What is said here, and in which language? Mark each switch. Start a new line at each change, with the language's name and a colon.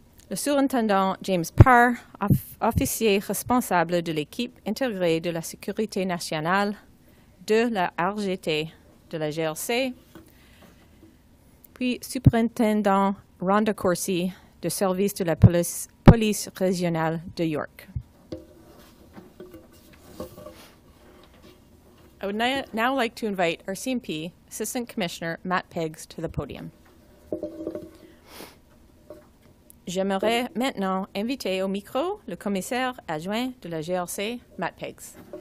French: le surintendant James Parr, officier responsable de l'équipe intégrée de la sécurité nationale de la RGT de la GRC, puis surintendant Rhonda Corsi, de service de la police régionale de York.
English: I would now like to invite RCMP Assistant Commissioner Matt Peggs to the podium.
French: J'aimerais maintenant inviter au micro le commissaire adjoint de la GRC, Matt Peggs.